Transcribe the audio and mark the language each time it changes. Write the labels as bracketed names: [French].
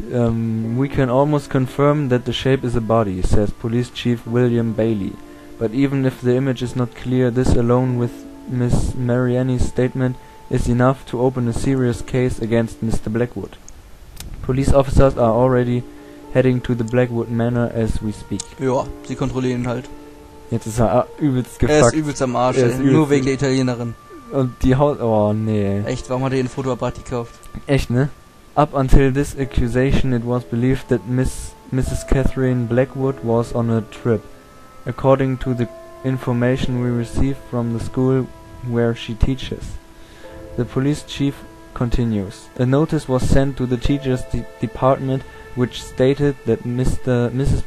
[English] We can almost confirm that the shape is a body, says Police Chief William Bailey. But even if the image is not clear, this alone with Miss Mariani's statement is enough to open a serious case against Mr. Blackwood. Police officers are already heading to the Blackwood Manor as we speak. [German] Ja, sie kontrollieren ihn halt. Jetzt ist er übelst gefuckt. Er ist übelst am Arsch, nur wegen der Italienerin. Und die Haus... Oh, nee. Echt, warum hat er ihr ein Fotoapparat gekauft? Echt, ne? [English] Up until this accusation, it was believed that Mrs. Catherine Blackwood was on a trip. According to the information we received from the school where she teaches. The police chief continues. A notice was sent to the teacher's department which stated that Mrs.